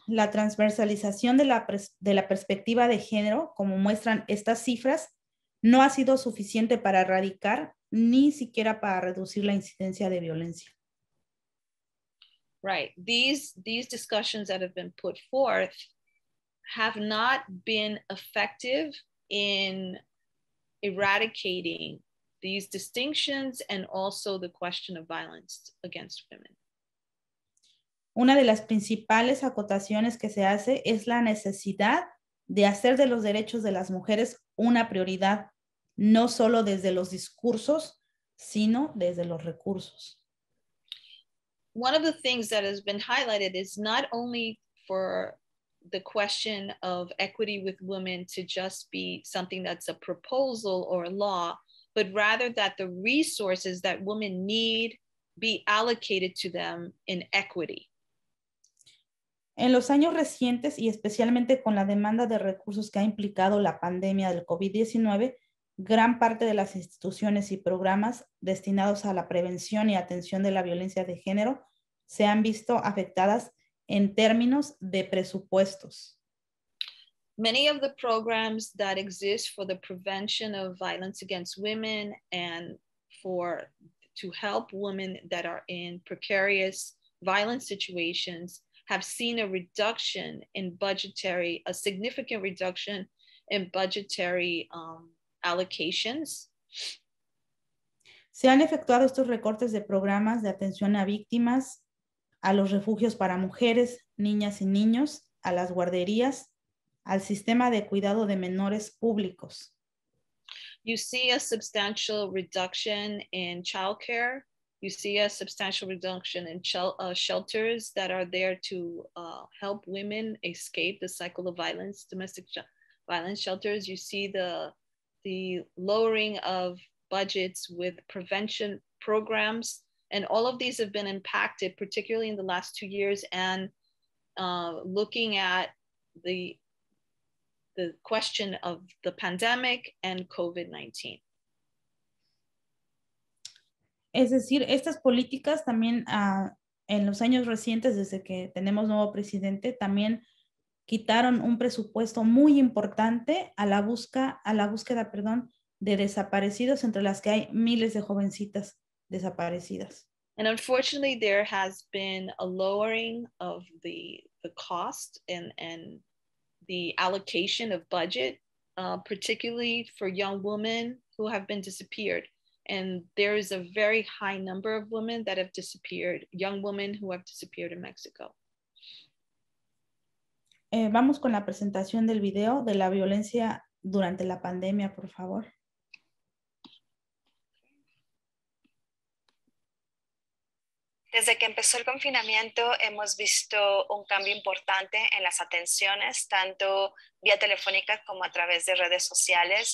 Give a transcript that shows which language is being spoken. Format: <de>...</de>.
<es>La transversalización de la perspectiva de género, como muestran estas cifras, no ha sido suficiente para erradicar ni siquiera para reducir la incidencia de violencia.</es> <en>Right. These discussions that have been put forth have not been effective in eradicating these distinctions and also the question of violence against women.</en> <es>Una de las principales acotaciones que se hace es la necesidad de hacer de los derechos de las mujeres una prioridad, no solo desde los discursos, sino desde los recursos.</es> <en>One of the things that has been highlighted is not only for the question of equity with women to just be something that's a proposal or a law, but rather that the resources that women need be allocated to them in equity.</en> <es>En los años recientes y especialmente con la demanda de recursos que ha implicado la pandemia del COVID-19, gran parte de las instituciones y programas destinados a la prevención y atención de la violencia de género se han visto afectadas en términos de presupuestos.</es> <en>Many of the programs that exist for the prevention of violence against women and for to help women that are in precarious violence situations have seen a reduction in budgetary, a significant reduction in budgetary allocations.</en> <es>Se han efectuado estos recortes de programas de atención a víctimas, a los refugios para mujeres, niñas y niños, a las guarderías, al sistema de cuidado de menores públicos.</es> <en>You see a substantial reduction in childcare. You see a substantial reduction in shelters that are there to help women escape the cycle of violence, domestic violence shelters. You see the lowering of budgets with prevention programs. And all of these have been impacted, particularly in the last 2 years. And looking at the question of the pandemic and COVID-19.</en> <es>Es decir, estas políticas también en los años recientes, desde que tenemos nuevo presidente, también quitaron un presupuesto muy importante a la búsqueda de desaparecidos, entre las que hay miles de jovencitas desaparecidas.</es> <en>And unfortunately, there has been a lowering of the cost and the allocation of budget, particularly for young women who have been disappeared. And there is a very high number of women that have disappeared, young women who have disappeared in Mexico.</en> <es>Vamos con la presentación del video de la violencia durante la pandemia, por favor. Desde que empezó el confinamiento, hemos visto un cambio importante en las atenciones, tanto vía telefónica como a través de redes sociales.</es>